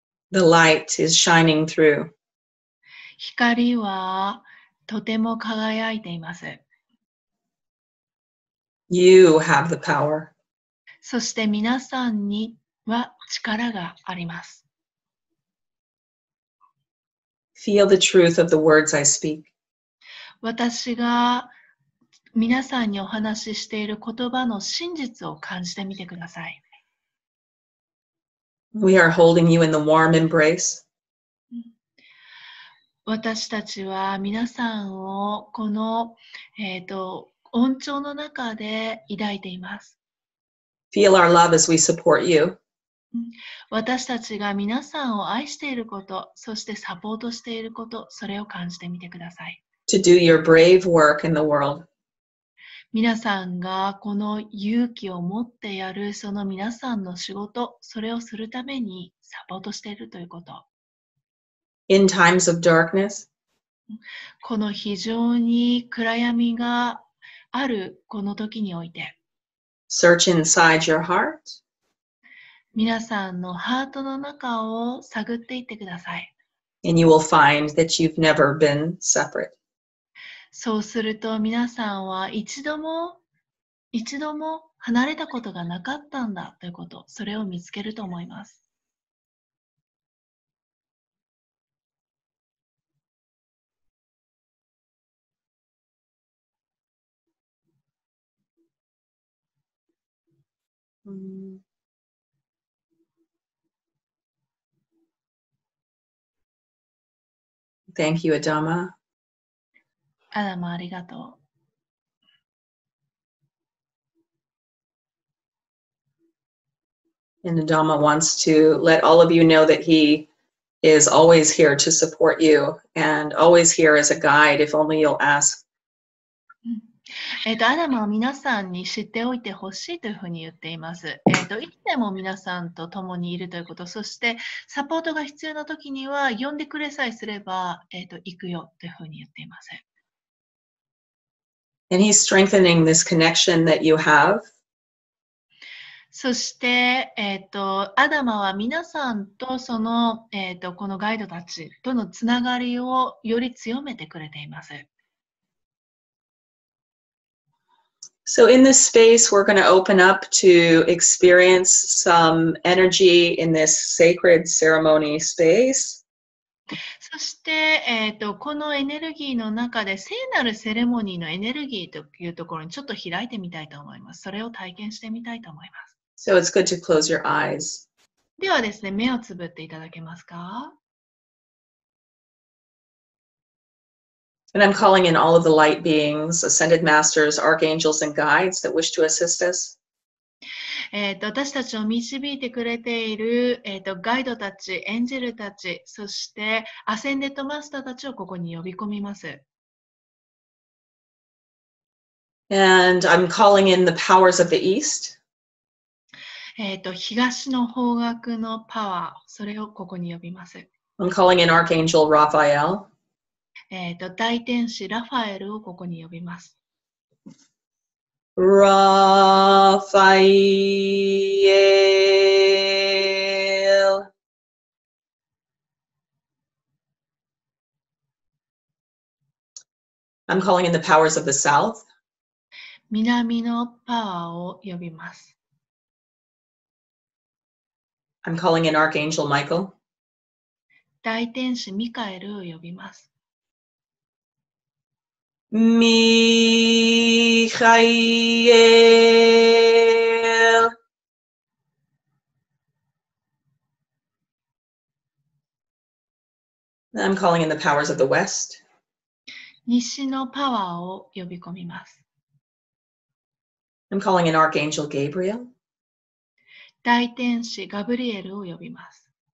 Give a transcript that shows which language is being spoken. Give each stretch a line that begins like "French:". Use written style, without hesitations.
English: The light is shining through.
Japanese: 光はとても輝いています。
English: You have the power.
Japanese: そして皆さんには力があります。
English: Feel the truth of the words I speak.
Japanese: 私が皆さんにお話ししている言葉の真実を感じてみてください。
English: We are holding you in the warm embrace.
Japanese: 私たちは皆さんをこの、温調の中で抱いています。
English: Feel our love as we support you.
Japanese: 私たちが皆さんを愛していること、そしてサポートしていること、それを感じてみてください。
English: To do your brave work in the world.
Japanese: 皆さんがこの勇気を持ってやるその皆さんの仕事、それをするためにサポートしているということ。
English: In times of darkness,
Japanese: この非常に暗闇があるこの時において、
English: search inside your heart.
Japanese: 皆さんのハートの中を探っていってください。
English: And you will find that you've never been separate.
Japanese: そうすると皆さんは一度も離れたことがなかったんだということ、それを見つけると思います。
English: Thank you, Adama.
Japanese: Adama, ありがとう。
English: And Adama wants to let all of you know that he is always here to support you and always here as a guide, if only you'll ask.
Japanese: アダマは皆さんに知っておいてほしいというふうに言っています。いつでも皆さんと共にいるということ、そしてサポートが必要な時には呼んでくれさえすれば、行くよというふうに言っています。
English: And he's strengthening this connection that you have.
Japanese: そして、アダマは皆さんとその、このガイドたちとのつながりをより強めてくれています。
English: So in this space, we're going to open up to experience some energy in this sacred ceremony space.
Japanese: そして、このエネルギーの中で聖なるセレモニーのエネルギーというところにちょっと開いてみたいと思います。それを体験してみたいと思います。
English: So it's good to close your eyes.
Japanese: ではですね、目をつぶっていただけますか?
English: And I'm calling in all of the light beings, ascended masters, archangels, and guides that wish to assist us.
Japanese: 私たちを導いてくれている、ガイドたち、エンジェルたち、そしてアセンデッドマスターたちをここに呼び込みます。
English: And I'm calling in the powers of the East.
Japanese: 東の方角のパワー、それをここに呼びます。
English: I'm calling in Archangel Raphael.
Japanese: 大天使ラファエルをここに呼びます。
English: Raphael. I'm calling in the powers of the South.
Japanese: 南のパワーを呼びます。
English: I'm calling in Archangel Michael.
Japanese: 大天使ミカエルを呼びます。ミハイエル。
English: I'm calling in the powers of the West.
Japanese: 西のパワーを呼び込みます。
English: I'm calling in Archangel Gabriel.
Japanese: 大天使ガブリエルを呼びます。